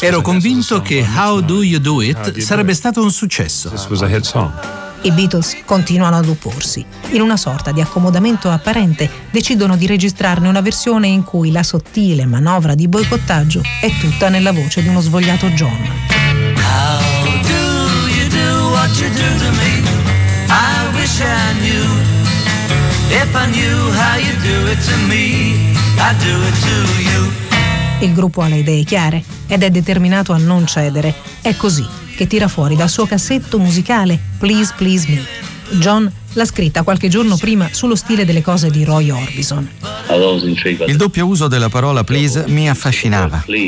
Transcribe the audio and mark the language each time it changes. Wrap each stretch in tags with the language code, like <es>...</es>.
<it>Ero convinto che How Do You Do It sarebbe stato un successo. I Beatles continuano ad opporsi. In una sorta di accomodamento apparente, decidono di registrarne una versione in cui la sottile manovra di boicottaggio è tutta nella voce di uno svogliato John.</it> <en>How do you do what you do to me? I wish I knew. If I knew how you do it to me, I'd do it to you.</en> <it>Il gruppo ha le idee chiare ed è determinato a non cedere. È così che tira fuori dal suo cassetto musicale Please Please Me. John l'ha scritta qualche giorno prima sullo stile delle cose di Roy Orbison. Il doppio uso della parola please mi affascinava.</it>